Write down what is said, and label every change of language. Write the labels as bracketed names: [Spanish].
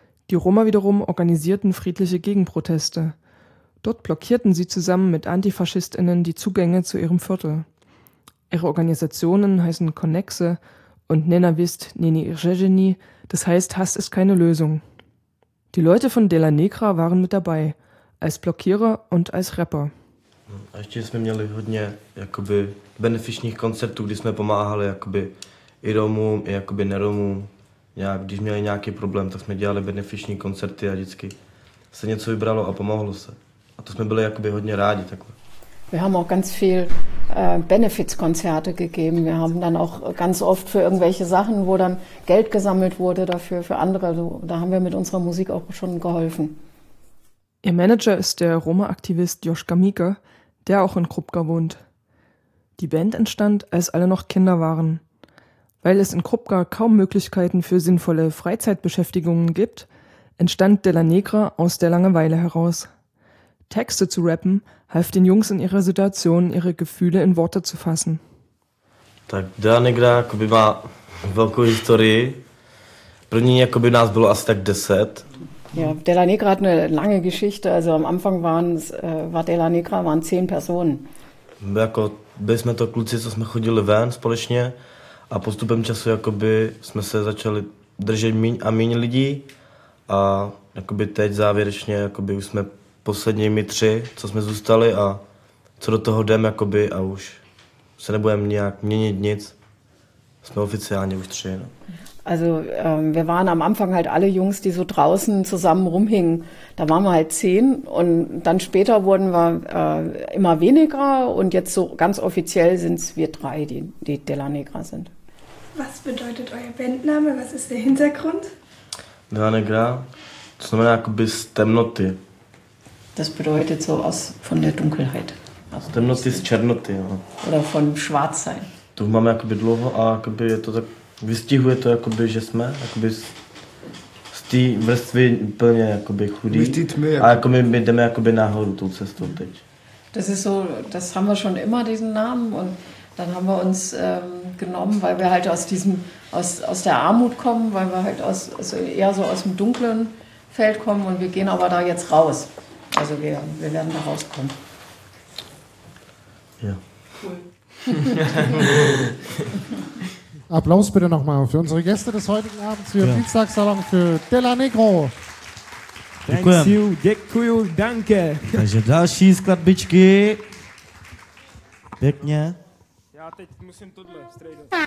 [German] Die Roma wiederum organisierten friedliche Gegenproteste. Dort blockierten sie zusammen mit AntifaschistInnen die Zugänge zu ihrem Viertel. Ihre Organisationen heißen Connexe und Nenavist Neni Rzezeni, das heißt, Hass ist keine Lösung. Die Leute von De La Negra waren mit dabei, als Blockierer und als Rapper. [Czech] A ještě jsme měli hodně jakoby benefičních koncertů, kdy jsme pomáhali jakoby i Romům, i jakoby neromům. Nějak, když měli nějaký problém, tak jsme dělali benefiční koncerty a vždycky se něco vybralo a pomohlo se. A to jsme byli jakoby hodně rádi takhle. [German] Wir haben auch ganz viel Benefizkonzerte gegeben. Wir haben dann auch ganz oft für irgendwelche Sachen, wo dann Geld gesammelt wurde dafür, für andere. Also, da haben wir mit unserer Musik auch schon geholfen. Ihr Manager ist der Roma-Aktivist Joschka Mika, der auch in Krupka wohnt. Die Band entstand, als alle noch Kinder waren. Weil es in Krupka kaum Möglichkeiten für sinnvolle Freizeitbeschäftigungen gibt, entstand De La Negra aus der Langeweile heraus. Texte zu rappen half den Jungs in ihrer Situation, ihre Gefühle in Worte zu fassen. [Czech] Tak De La Negra jakoby má velkou historii. První jakoby nás bylo asi tak 10. [German] Ja, De La Negra hat eine lange Geschichte. Also am Anfang waren 10 Personen. [Czech] Jako byli jsme to kluci, co jsme chodili ven společně a postupem času jakoby jsme se začali držet míň a míň lidí a jakoby teď závěrečně jakoby už jsme posledními 3, co jsme zůstali a co do toho jdem jakoby a už se nebudeme nějak měnit nic. Jsme oficiálně už 3, no. [German] Also wir waren am Anfang halt alle Jungs, die so draußen zusammen rumhingen. Da waren wir halt 10 und dann später wurden wir immer weniger und jetzt so ganz offiziell sind es wir 3, die De La Negra sind. Was bedeutet euer Bandname? Was ist der Hintergrund? [Czech] De La Negra, [German] das bedeutet [Czech] jakoby z temnoty. [German] Das bedeutet so aus von der Dunkelheit. [Czech] Also temnoty z černoty, ja. [German] Oder von Schwarzsein. [Czech] To máme jakoby dlouho a jakoby je to tak. Vystihuje to jakoby, že jsme jakoby z té vrstvy úplně jakoby chudí. Tmy, a jako my jdeme jakoby nahoru tou cestou teď. [German] Das ist so, das haben wir schon immer diesen Namen und dann haben wir uns genommen, weil wir halt aus der Armut kommen, weil wir halt eher so aus dem dunklen Feld kommen und wir gehen aber da jetzt raus. Also wir werden da rauskommen. Ja. Cool. Applaus bitte nochmal für unsere Gäste des heutigen Abends für Dienstagssalon für Della Negro. [English] Thank you, [Czech] děkuju, [German] danke. [Czech] Takže další skladbičky. Pěkně. Já teď musím tohle strejdu.